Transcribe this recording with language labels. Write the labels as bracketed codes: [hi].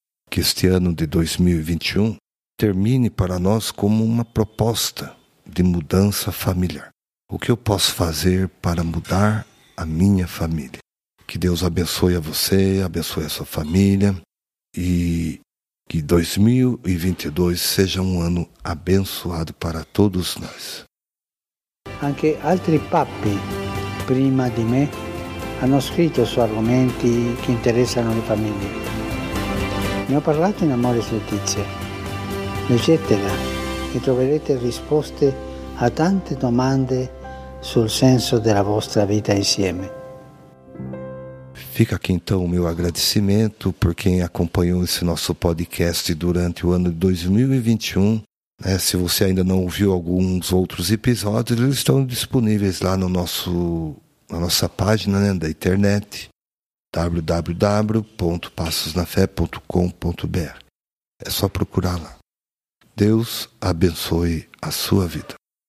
[pt] Que este ano de 2021 termine para nós como uma proposta de mudança familiar. O que eu posso fazer para mudar a minha família? Que Deus abençoe a você, abençoe a sua família e que 2022 seja um ano abençoado para todos nós. [it] Anche altri papi prima di me hanno scritto su argomenti che interessano le famiglie. Ne ho parlato in Amore e Letizia. Leggetela e troverete risposte a tante domande sul senso della vostra vita insieme. [pt] Fica aqui então o meu agradecimento por quem acompanhou esse nosso podcast durante o ano de 2021. Né? Se você ainda não ouviu alguns outros episódios, eles estão disponíveis lá no nosso, na nossa página, né, da internet, www.passosnafé.com.br. É só procurar lá. Deus abençoe a sua vida.